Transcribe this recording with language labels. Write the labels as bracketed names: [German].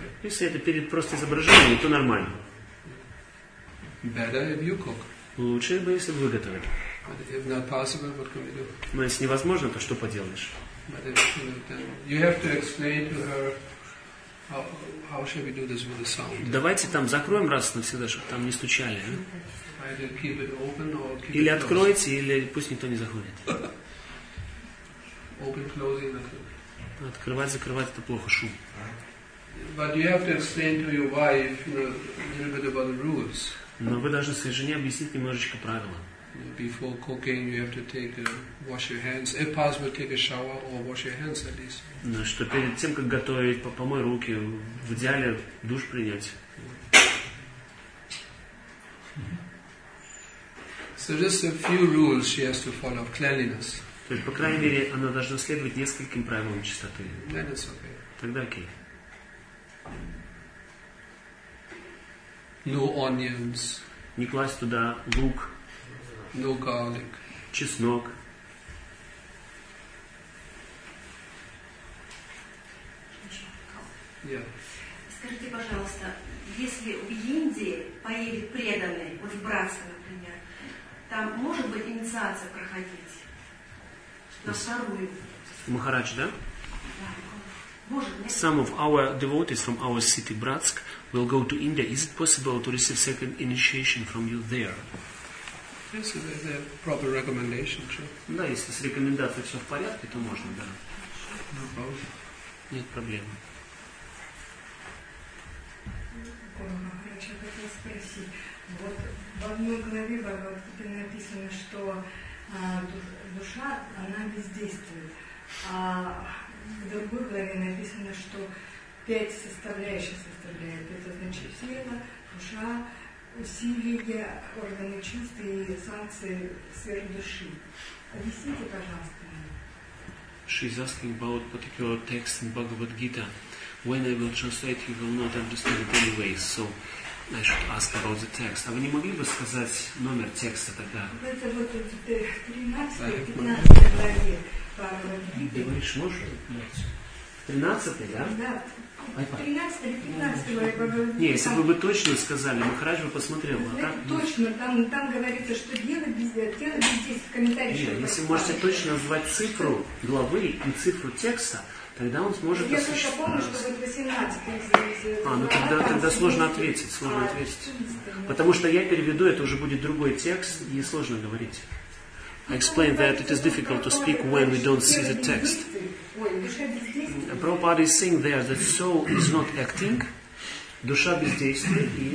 [Russian] Если это перед просто изображением, то нормально. [English] Better if you cook. [Russian] Лучше бы, если бы вы готовили. [English] If not possible, what can we do? [Russian] Но если невозможно, то что поделаешь? [English] But then you have to explain to her how should we do this with the sound. [Russian] Давайте там закроем раз навсегда, чтобы там не стучали. [English] Either keep it open or keep [Russian] или [English] it [Russian] откройте, или пусть никто не заходит. [English] Open, closing, nothing. [Russian] Открывать, закрывать — это плохо, шум. [English] But you have to explain to your wife, you know, a little bit about the rules. [Russian] Но вы должны своей жене объяснить немножечко правила. [English] Before cooking, you have to wash your hands. If possible, take a shower or wash your hands at least. [Russian] Ну что перед тем, как готовить, помой руки. В идеале душ принять. [English] So just a few rules she has to follow of cleanliness. [Russian] То есть по крайней мере она должна следовать нескольким правилам чистоты. [English] Then it's okay. [Russian] Тогда окей. [English] No onions. [Russian] Не класть туда лук. [English] No garlic. [Russian] Чеснок. [English] Yeah. [Russian] Скажите, пожалуйста, если в Индии поедет преданный, вот в Братстве, например, там может быть инициация проходить? На вторую. Махарадж, да? Да. Может. [English] Some of our devotees from our city, Bratsk, will go to India. Is it possible to receive second initiation from you there? Yes, if there's a proper recommendation, sure. [Russian] Да, если с рекомендацией все в порядке, то можно, да. [English] No problem. [Russian] Нет проблем. Я хотел спросить. Вот в одной главе Бхагавад-гиты написано, что душа, она бездействует. А в другой главе написано, что пять составляющих составляет. Это значит, чувств тела, душа, усилия, органы чувств и санкции сферы души. Объясните, пожалуйста. [English] She is asking about particular text in Bhagavad Gita. When I will translate, you will not understand it anyway. So I should ask about the text. [Russian] А вы не могли бы сказать номер текста тогда? Это вот эти 13-15 главы. Говоришь, можешь? 13-й, да? Да. 13-й или 15-й. Не, если бы вы точно сказали, Махарадж бы посмотрел. Это точно, там говорится, что делать без тела, здесь в комментариях. Нет, если вы можете точно назвать цифру главы и цифру текста, тогда он сможет осуществить. А, ну тогда сложно ответить. Сложно ответить. Потому что я переведу, это уже будет другой текст, и сложно говорить. [English] I explained that it is difficult to speak when we don't see the text. Prabhupada is saying there that soul is not acting, [Russian] душа бездействует.